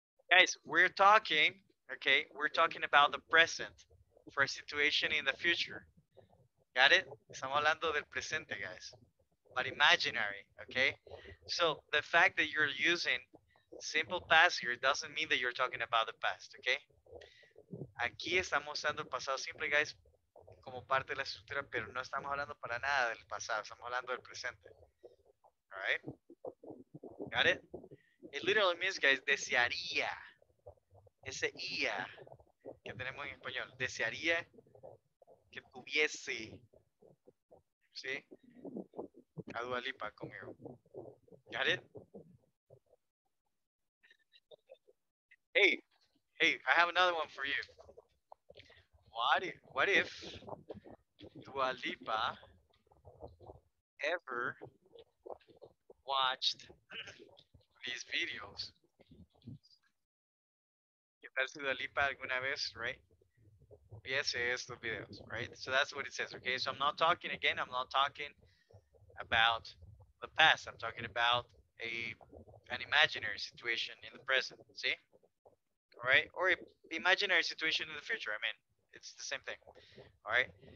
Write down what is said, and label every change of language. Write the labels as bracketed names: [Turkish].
[English] Guys, we're talking about the present for a situation in the future. Got it? [Spanish] Estamos hablando del presente, guys. [English] but imaginary, okay? So the fact that you're using simple past here doesn't mean that you're talking about the past, okay? [Spanish] Aquí estamos usando el pasado simple, guys, como parte de la estructura, pero no estamos hablando para nada del pasado, estamos hablando del presente. [English] All right? Got it? It literally means, guys, desearía. [Spanish] Ese ia que tenemos en español. Desearía que tuviese. ¿Sí? A Dua Lipa conmigo. [English] Got it? Hey. Hey, I have another one for you. What if Dua Lipa ever watched these videos? [Spanish] ¿Qué tal si Dua Lipa alguna vez, right? Viese estos videos, [English] right? So that's what it says, okay? So I'm not talking again, I'm not talking about the past. I'm talking about an imaginary situation in the present, see? All right? Or imaginary situation in the future, I mean. It's the same thing, all right?